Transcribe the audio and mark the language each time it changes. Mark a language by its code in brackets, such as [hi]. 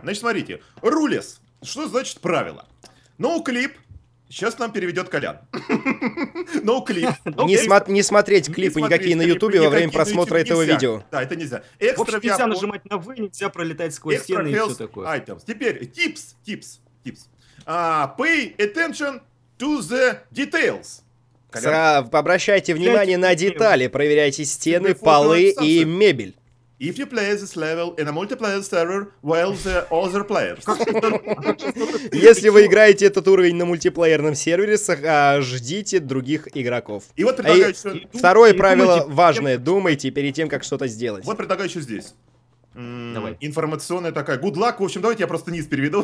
[ru] Значит, смотрите. [en] Рулес. [ru] Что значит правило? [en] Ноу-клип. [ru] Сейчас нам переведет Колян. [en] Ноу-клип. [ru] Не смотреть клипы никакие на Ютубе во время просмотра этого видео. Да, это нельзя. В общем, нельзя нажимать на «вы», нельзя пролетать сквозь стены и все такое. [en] Extra health items. [ru] Теперь tips. [en] Pay attention to the details. [ru] Обращайте внимание на детали, проверяйте стены, полы и мебель. [en] If you play this level in a multiplayer server, well, the other players. [ru] Если вы играете этот уровень на мультиплеерном сервере, ждите других игроков. И вот предлагаю еще... Второе правило важное, думайте перед тем, как что-то сделать. Вот предлагаю еще здесь. Давай. Информационная такая. [en] Good luck. [ru] В общем, давайте я просто низ переведу.